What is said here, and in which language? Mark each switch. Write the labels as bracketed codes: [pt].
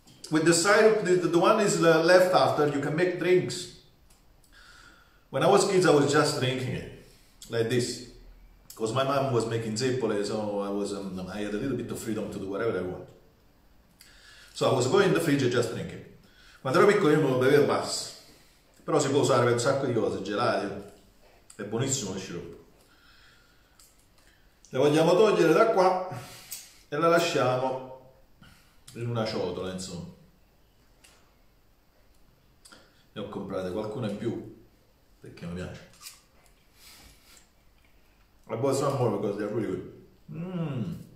[en] With the syrup, the one is left after, you can make drinks. When I was kids, I was just drinking it, like this. Because my mom was making zeppole, so I had a little bit of freedom to do whatever I want. So I was going in the fridge just drinking. [it] Quando ero piccolo io non lo bevevo basso, però si può usare per un sacco di cose, gelati, è buonissimo il sciroppo. Le vogliamo togliere da qua e la lasciamo in una ciotola, insomma. Ne ho comprate qualcuna in più, perché mi piace. [en] I bought some more because they are really good.